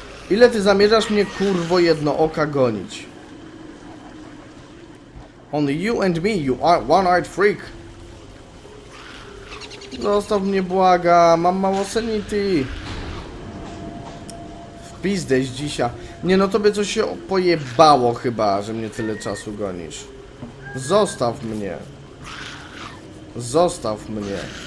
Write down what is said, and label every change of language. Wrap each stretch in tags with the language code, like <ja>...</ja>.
<pl>Ile ty zamierzasz mnie, kurwo, jedno oka gonić?</pl> <en>Only you and me, you one-eyed freak!</en> <pl>Zostaw mnie, błaga, mam mało sanity! pizdeś dzisiaj. Nie, no tobie coś się pojebało chyba, że mnie tyle czasu gonisz. Zostaw mnie. Zostaw mnie.</pl>